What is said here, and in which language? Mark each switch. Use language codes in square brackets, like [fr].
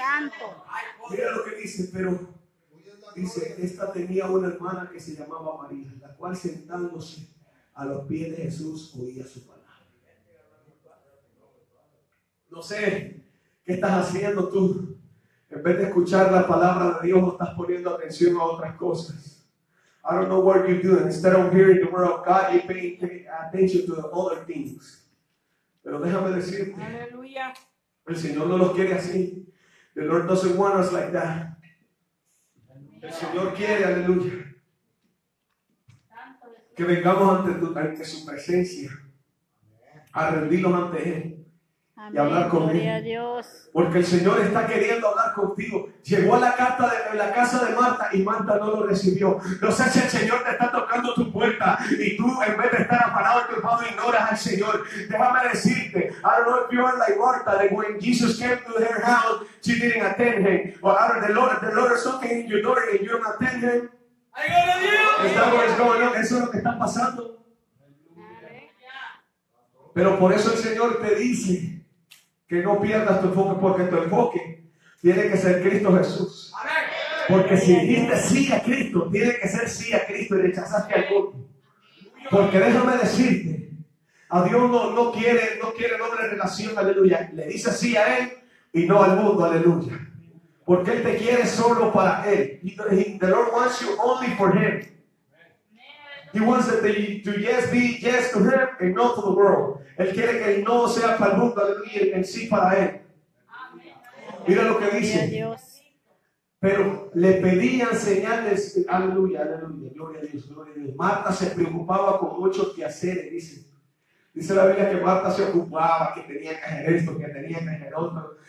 [es] aleluya. Mira lo que dice, pero dice, esta tenía una hermana que se llamaba María, la cual sentándose a los pies de Jesús oía su palabra. No sé, ¿qué estás haciendo tú? En vez de escuchar la palabra de Dios, estás poniendo atención a otras cosas. [en] I don't know what you're doing. Instead of hearing the word of God, you're paying attention to the other things. [es] Pero déjame decirte, aleluya, el Señor no los quiere así. [en] The Lord doesn't want us like that. [es] El Señor quiere, aleluya, que vengamos ante su presencia, a rendirnos ante Él. Y hablar con él. Dios. Porque el Señor está queriendo hablar contigo. Llegó a la carta de la casa de Marta y Marta no lo recibió. No sé si el Señor te está tocando tu puerta y tú, en vez de estar afanado y culpado, ignoras al Señor. Déjame decirte, [en] I don't know if you are like Marta, that when Jesus came to her house, she didn't attend him. Or well, the Lord is knocking in your door and you don't attend him. [es] Eso es lo que está pasando. Pero por eso el Señor te dice que no pierdas tu enfoque, porque tu enfoque tiene que ser Cristo Jesús. Porque si dijiste sí a Cristo, tiene que ser sí a Cristo y rechazaste al mundo. Porque déjame decirte, a Dios no quiere el hombre en relación, aleluya. Le dice sí a Él y no al mundo, aleluya. Porque Él te quiere solo para Él. [en] The Lord wants you only for Him. He wants to yes be yes to him and no to the world. [es] Él quiere que el no sea para el mundo, aleluya, en sí para él. Mira lo que dice. Pero le pedían señales, aleluya, aleluya, gloria a Dios. Marta se preocupaba con muchos quehaceres, dice. Dice la Biblia que Marta se ocupaba, que tenía que hacer esto, que tenía que hacer otro.